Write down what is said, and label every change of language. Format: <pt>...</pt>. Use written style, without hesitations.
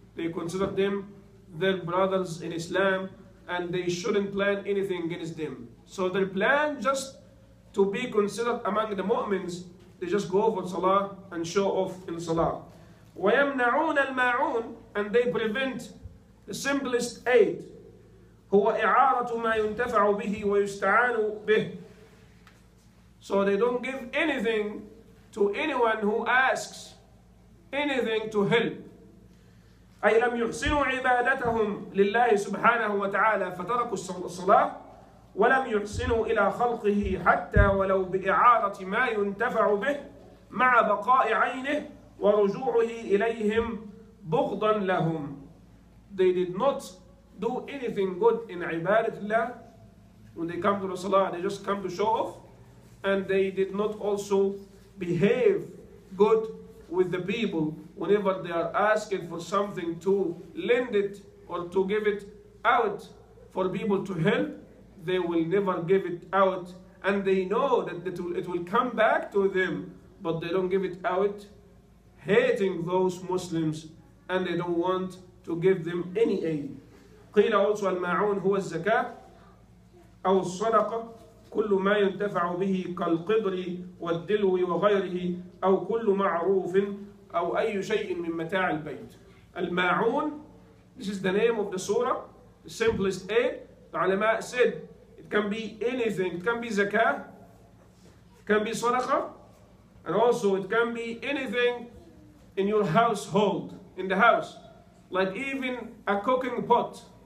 <en>They consider them their brothers in Islam, and they shouldn't plan anything against them. So their plan just to be considered among the Mu'mins, they just go for Salah and show off in Salah.</en> <ar>وَيَمْنَعُونَ الْمَاعُونَ</ar> <en>And they prevent the simplest aid.</en> <ar>هو إعارة ما ينتفع به ويستعان به.</ar> <en>So they don't give anything to anyone who asks anything to help.</en> <ar>أي لم يحسنوا عبادتهم لله سبحانه وتعالى فتركوا الصلاة ولم يحسنوا إلى خلقه حتى ولو بإعارة ما ينتفع به مع بقاء عينه ورجوعه إليهم بغضا لهم.</ar> <en>They did not do anything good in ibadatullah. When they come to the salah, they just come to show off, and they did not also behave good with the people whenever they are asking for something to lend it or to give it out for people to help. They will never give it out, and they know that it will come back to them, but they don't give it out, hating those Muslims, and they don't want to give them any aid.</en> <ar>قيل also الماعون هو الزكاة أو الصدقة كل ما ينتفع به كالقدر والدلو وغيره أو كل معروف أو أي شيء من متاع البيت.</ar> <en>الماعون, this is the name of the surah, the simplest aid. The ulama said it can be anything. It can be zakah, it can be sadaqah, and also it can be anything in your household, in the house, like even a cooking pot.</en>